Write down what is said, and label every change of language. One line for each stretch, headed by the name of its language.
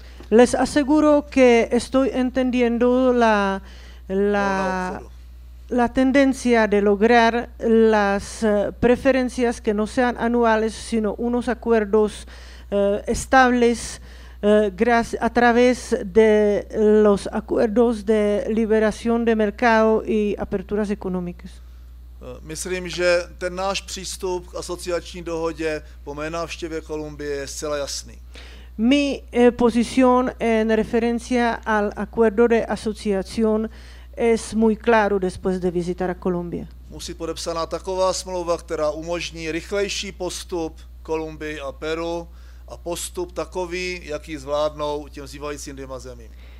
Spanish: Les aseguro que estoy entendiendo la tendencia de lograr las preferencias que no sean anuales, sino unos acuerdos estables a través de los acuerdos de liberación de mercado y aperturas económicas.
Czech: Myslím, že ten náš přístup k asociační dohodě po mé návštěvě Kolumbie je zcela jasný.
Spanish: Mi posición en referencia al acuerdo de asociación es muy claro después de visitar a Colombia.
Czech: Musí podepsaná taková smlouva, která umožní rychlejší postup Kolumbii a Peru a postup takový, jaký zvládnou těm zývajícím dvěma zemím.